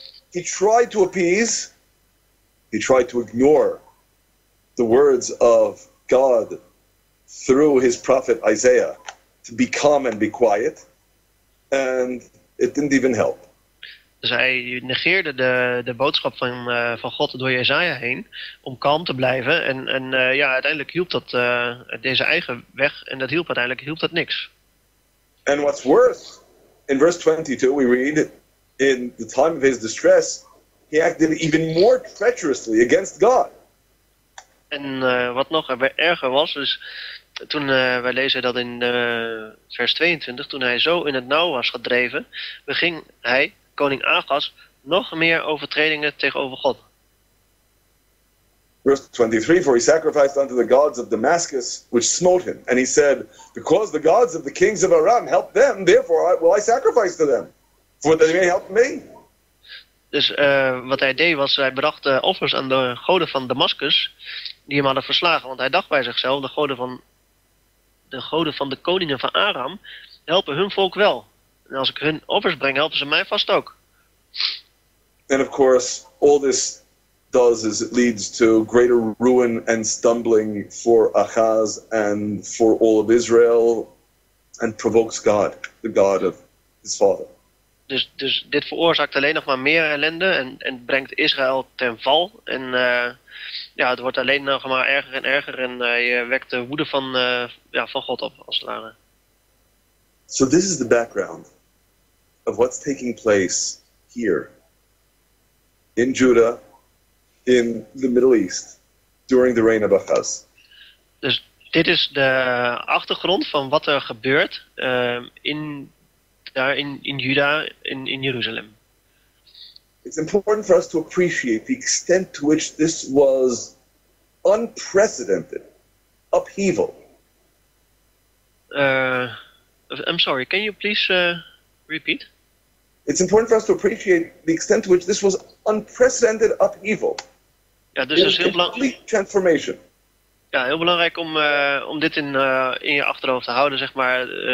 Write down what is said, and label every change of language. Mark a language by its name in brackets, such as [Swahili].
[English] He tried to appease, he tried to ignore the words of God through his prophet Isaiah to be calm and be quiet, and it didn't even help. [Dutch] Dus hij negeerde de boodschap van God door Jesaja heen om kalm te blijven. En ja, uiteindelijk hielp dat deze eigen weg en dat hielp uiteindelijk hielp dat niks. [English] And what's worse, in verse 22 we read, in the time of his distress, he acted even more treacherously against God. [Dutch] En wat nog erger was, is toen wij lezen dat in vers 22, toen hij zo in het nauw was gedreven, beging hij, koning Achas, nog meer overtredingen tegenover God. [English] Verse 23, for he sacrificed unto the gods of Damascus, which smote him. And he said, because the gods of the kings of Aram helped them, therefore will I sacrifice to them, for they may help me. [Dutch] Dus wat hij deed was, hij bracht offers aan de goden van Damascus, die hem hadden verslagen. Want hij dacht bij zichzelf, de goden van de koningen van Aram helpen hun volk wel. En als ik hun offers breng, helpen ze mij vast ook. [English] En of course, all this does is it leads to greater ruin and stumbling for Achaz and for all of Israel, and provokes God, the God of his father. [Dutch] Dus dit veroorzaakt alleen nog maar meer ellende en brengt Israël ten val. En het wordt alleen nog maar erger en erger en je wekt de woede van God op, als het ware. [English] So this is the background of what's taking place here in Judah, in the Middle East, during the reign of Achaz. [Dutch] Dus dit is de achtergrond van wat er gebeurt in Juda, in Jeruzalem. [English] It's important for us to appreciate the extent to which this was unprecedented upheaval. I'm sorry, can you please repeat? It's important for us to appreciate the extent to which this was unprecedented upheaval. [Dutch] Ja, dus is heel [English] complete transformation. [Dutch] Ja, heel belangrijk om dit in je achterhoofd te houden, zeg maar.